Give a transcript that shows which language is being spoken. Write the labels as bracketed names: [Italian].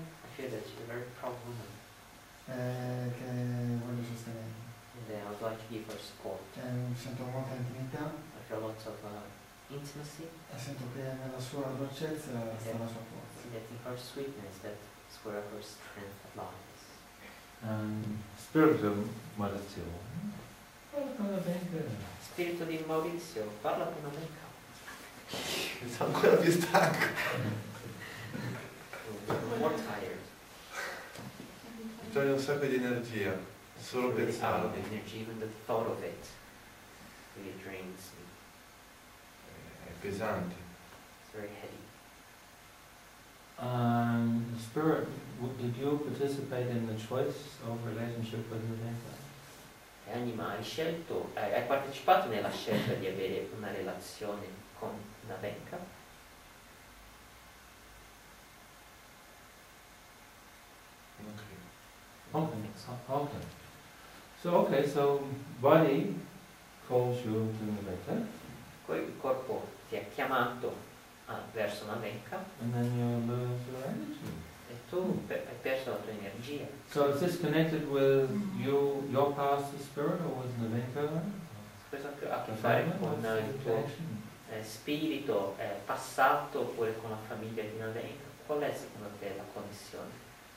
[English] I feel that she's a very proud woman. [Italian] Che voglio sostenere. [English] And I would like to give her support. [Italian] Sento molta intimità. [English] I feel lots of intimacy. [Italian] E sento che nella sua dolcezza sta la sua forza. [English] That in her sweetness, that's where her strength lies. [Italian] Spirito di Maurizio. Parla con la Benca. Spirito di Maurizio, parla con la Benca. Sono ancora più stanco. [English] More tired. [Italian] Mi toglie un sacco di energia, solo pensarlo. [English] Energia, even the thought of it, really drains me. [Italian] Pesante. [English] It's very heavy. Spirit, did you participate in the choice of relationship with Navenka? [Italian] Anima, hai partecipato nella scelta di avere una relazione con Navenka? [English] Okay. So body calls you to Navenka. [Italian] Poi il corpo ti ha chiamato verso una Navenka. [English] And then you lose your energy. [Italian] E tu hai perso la tua energia. [English] So is this connected with you, your past, the spirit, or with Navenka? [Italian] Questo ha a che fare con il tuo spirito, passato, oppure con la famiglia di Navenka. Qual è secondo te la connessione?